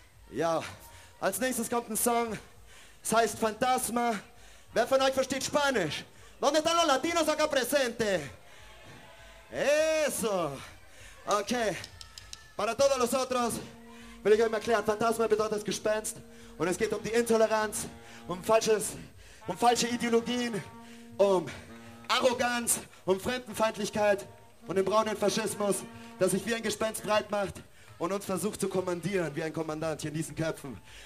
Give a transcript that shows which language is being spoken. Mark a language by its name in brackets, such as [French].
[German] Ja, als nächstes kommt ein Song. Es heißt Fantasma. Wer von euch versteht Spanisch? [Spanish] ¿Dónde están los latinos acá presente? Eso. Okay. Para todos los otros [German] will ich euch mal erklären, Fantasma bedeutet das Gespenst. Und es geht um die Intoleranz, um falsche Ideologien, um Arroganz, um Fremdenfeindlichkeit und den braunen Faschismus, das sich wie ein Gespenst breit macht und uns versucht zu kommandieren, wie ein Kommandant hier in diesen Köpfen.